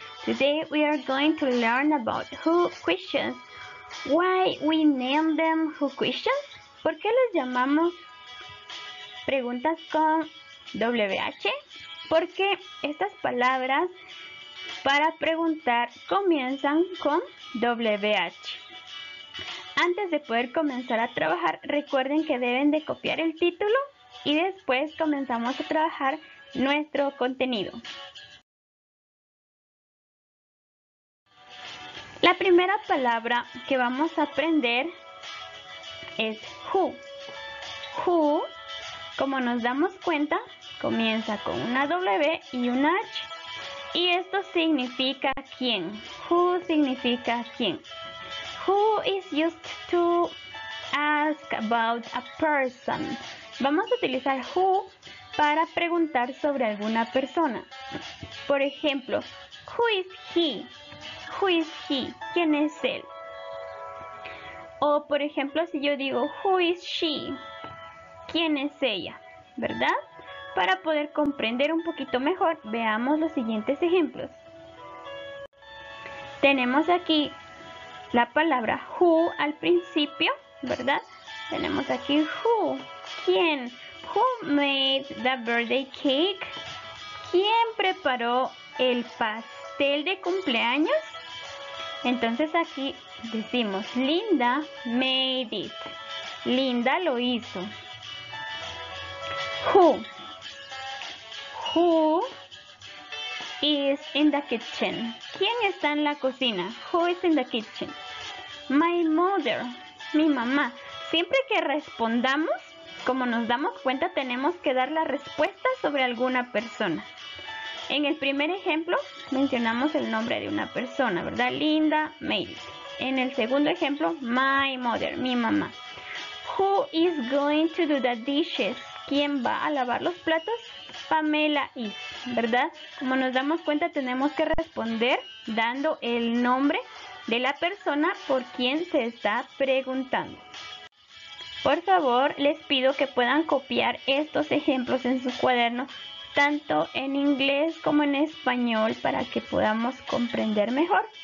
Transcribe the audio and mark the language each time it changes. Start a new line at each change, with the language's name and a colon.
English: Today we are going to learn about who questions. Why we name them who questions?
Spanish: ¿Por qué los llamamos preguntas con WH? Porque estas palabras para preguntar comienzan con WH. Antes de poder comenzar a trabajar, recuerden que deben de copiar el título. Y después comenzamos a trabajar nuestro contenido. La primera palabra que vamos a aprender es who. Who, como nos damos cuenta, comienza con una W y una H. Y esto significa quién. Who significa quién.
English: Who is used to ask about a person.
Spanish: Vamos a utilizar who para preguntar sobre alguna persona. Por ejemplo,
English: who is he? Who is he?
Spanish: ¿Quién es él? O por ejemplo, si yo digo
English: who is she?
Spanish: ¿Quién es ella? ¿Verdad? Para poder comprender un poquito mejor, veamos los siguientes ejemplos. Tenemos aquí la palabra who al principio, ¿verdad? Tenemos aquí who. ¿Quién?
English: Who made the birthday cake?
Spanish: ¿Quién preparó el pastel de cumpleaños? Entonces aquí decimos, Linda
English: made it.
Spanish: Linda lo hizo.
English: Who? Who is in the kitchen?
Spanish: ¿Quién está en la cocina?
English: Who is in the kitchen? My mother.
Spanish: Mi mamá. Siempre que respondamos, como nos damos cuenta, tenemos que dar la respuesta sobre alguna persona. En el primer ejemplo, mencionamos el nombre de una persona, ¿verdad? Linda made. En el segundo ejemplo,
English: my mother,
Spanish: mi mamá.
English: Who is going to do the dishes?
Spanish: ¿Quién va a lavar los platos? Pamela is, ¿verdad? Como nos damos cuenta, tenemos que responder dando el nombre de la persona por quien se está preguntando. Por favor, les pido que puedan copiar estos ejemplos en su cuaderno, tanto en inglés como en español, para que podamos comprender mejor.